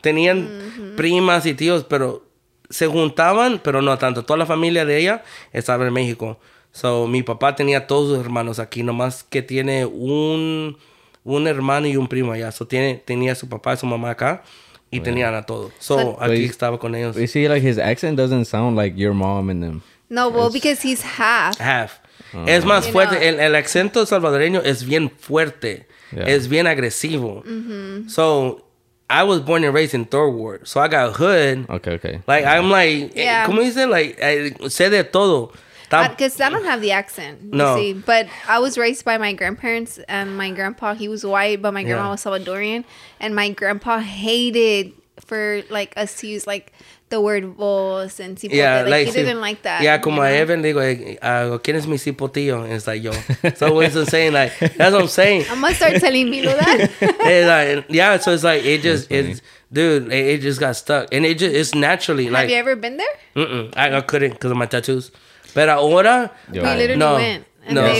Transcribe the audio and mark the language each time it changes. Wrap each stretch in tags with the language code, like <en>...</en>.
<es>Tenían primas y tíos, pero se juntaban, pero no tanto. Toda la familia de ella estaba en México. So, mi papá tenía todos sus hermanos aquí, nomás que tiene un hermano y un primo allá. So, tenía a su papá y su mamá acá. Y tenían a todos. So, aquí estaba con ellos.</es> <en>You see, like, his accent doesn't sound like your mom and them. No, well, because he's half.</en> <es>Half. Es más fuerte. El acento salvadoreño es bien fuerte. Yeah. Es bien agresivo.</es> <en>So, I was born and raised in Third Ward. So, I got hood. Okay. Like, yeah. I'm like... Yeah.</en> <es>¿Cómo dice?</es> <en>Like,</en> <es>sé de todo.</es> <en>Because I don't have the accent, you see. But I was raised by my grandparents and my grandpa. He was white, but my grandma was Salvadorian. And my grandpa hated for like us to use like the word vos and cipote. Yeah, like, he didn't like that.</en> <es>Yeah, como a Evan, digo, ¿quién es mi cipotillo?</es> <en>And it's like, yo. So what's I'm saying, like, that's what I'm saying. I'm going to start telling Milo that. So it's like, it just, it's, dude, it just got stuck. And it just, it's naturally. Have like, you ever been there? Mm-mm. I couldn't because of my tattoos. But ahora, we literally went. And no, they</en>